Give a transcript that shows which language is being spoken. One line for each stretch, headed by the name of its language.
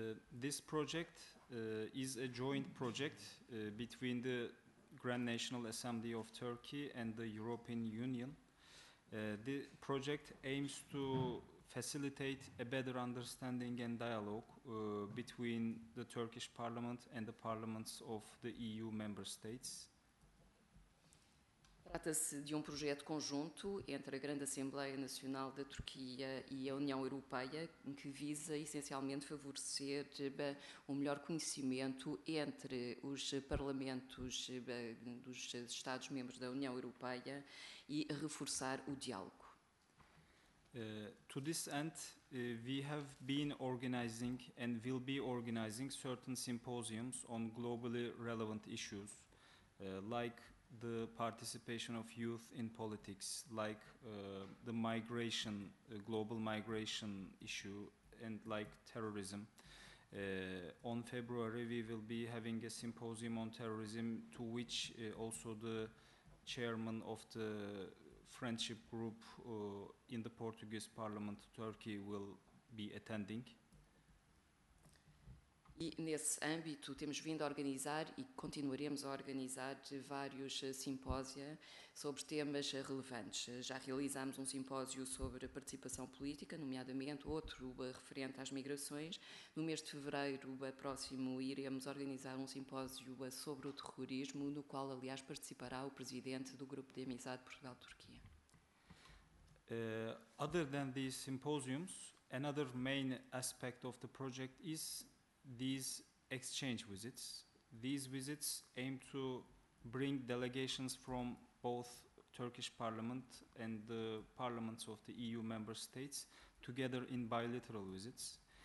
English: This project is a joint project between the Grand National Assembly of Turkey and the European Union. The project aims to facilitate a better understanding and dialogue between the Turkish Parliament and the parliaments of the EU member states.
Portuguese: Trata-se de projeto conjunto entre a Grande Assembleia Nacional da Turquia e a União Europeia, que visa essencialmente favorecer melhor conhecimento entre os parlamentos dos Estados-membros da União Europeia e reforçar o diálogo.
English: To this end, we have been organizing and will be organizing certain symposiums on globally relevant issues, like the participation of youth in politics, like the migration, global migration issue, and like terrorism. On February, we will be having a symposium on terrorism, to which also the chairman of the friendship group in the Portuguese Parliament, Turkey, will be attending.
Portuguese: E nesse âmbito temos vindo a organizar e continuaremos a organizar vários simpósia sobre temas relevantes. Já realizámos simpósio sobre a participação política, nomeadamente outro referente às migrações. No mês de fevereiro próximo iremos organizar simpósio sobre o terrorismo, no qual aliás participará o presidente do Grupo de Amizade Portugal-Turquia.
English: Other than these symposiums, another main aspect of the project is these exchange visits. These visits aim to bring delegations from both Turkish Parliament and the parliaments of the EU member states together in bilateral visits.